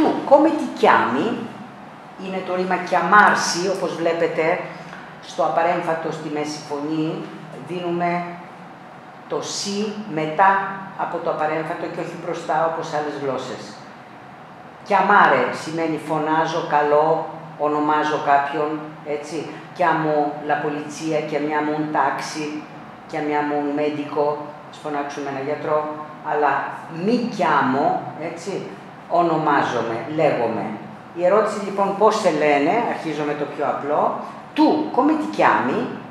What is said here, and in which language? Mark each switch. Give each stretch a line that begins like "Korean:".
Italian: come ti chiami,
Greek: είναι το ρήμα «chiamarsi», όπως βλέπετε στο απαρέμφατο στη μέση φωνή, δίνουμε το «σι» μετά από το απαρέμφατο και όχι μπροστά όπως άλλες γλώσσες. «Chiamare» σημαίνει «φωνάζω», «καλό», «ονομάζω κάποιον», έτσι.
Italian: «Chiamo la polizia», «chiamiamo un taxi», «chiamiamo un medico»,
Greek: ας φωνάξουμε ένα γιατρό, αλλά
Italian: «mi chiamo»,
Greek: έτσι, «ονομάζομαι», «λέγομαι». Η ερώτηση λοιπόν πώς σε λένε, αρχίζω με το πιο απλό, «tu»,
Italian: «come ti chiami»,